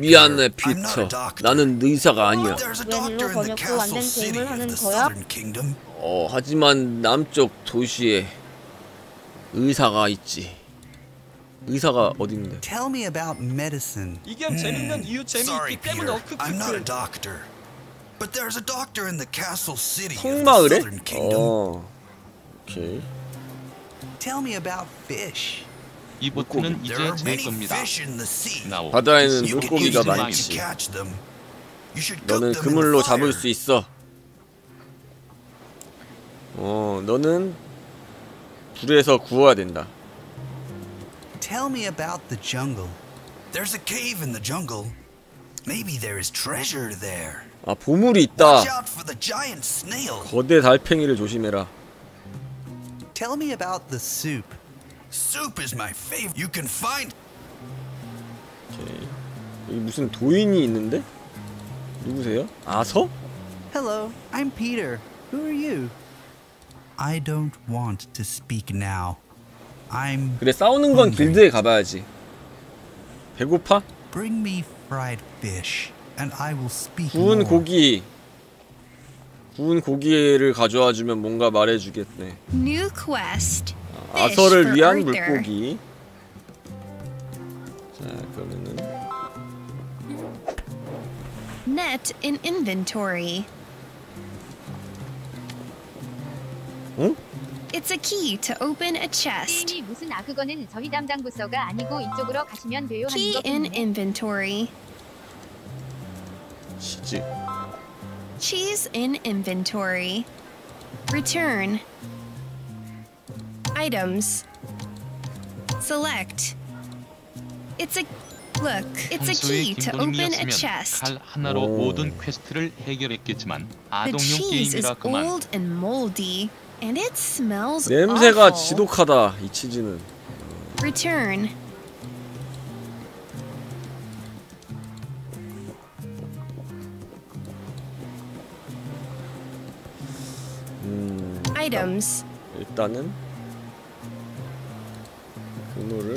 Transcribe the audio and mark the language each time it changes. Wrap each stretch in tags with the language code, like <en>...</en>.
<ko>미안해, 피터. 나는 의사가 아니야. 왜 일로 번역도 안 된 게임을 하는 거야? 하지만 남쪽 도시에 의사가 있지. 의사가 어딨는데?</ko> <en>Tell me about medicine.</en> <ko>이게 재밌는 이유 재미있기 때문에</ko> <en>Peter. I'm not a doctor. But there's a doctor in the castle city.</en> <ko>성마을에?</ko> <en>Southern kingdom.</en> <ko>오케이.</ko> <en>Tell me about fish.</en> <ko>이 보트는 이제 제 겁니다. 바다에는 물고기가 많지. 너는 그물로 잡을 수 있어. 너는 불에서 구워야 된다.</ko> <en>Tell me about the jungle. There's a cave in the jungle. Maybe there is treasure there.</en> <ko>아, 보물이 있다.</ko> <en>Watch out for the giant snail.</en> <ko>거대 달팽이를 조심해라.</ko> <en>Tell me about the soup. Soup is my favorite. You can find.</en> <ko>오케이. 여기 무슨 도인이 있는데? 누구세요? 아서?</ko> <en>Hello. I'm Peter. Who are you? I don't want to speak now.</en> <ko>그래, 싸우는 건 길드에 가봐야지. 배고파?</ko> <en>Bring me fried fish and I will speak.</en> <ko>구운 고기. 구운 고기를 가져와 주면 뭔가 말해 주겠네.</ko> <en>New quest.</en> <ko>아서를 위한 물고기. 자, 그러면은</ko> <en>net in inventory.</en> <ko>응?</ko> <en>It's a key to open a chest.</en> <ko>게임이 무슨 악어거는 저희 담당 부서가 아니고 이쪽으로 가시면 돼요.</ko> <en>Key in inventory.</en> <ko>시지.</ko> <en>cheese in inventory. Return. Items. Select. It's a look. It's a key to open a chest.</en> <ko>칼 하나로 모든 퀘스트를 해결했겠지만 아동용 게임이라 그만.</ko> <en>The cheese is old and moldy, and it smells awful.</en> <ko>냄새가 지독하다 이 치즈는.</ko> <en>Return. Items.</en> <ko>일단은 그물을</ko>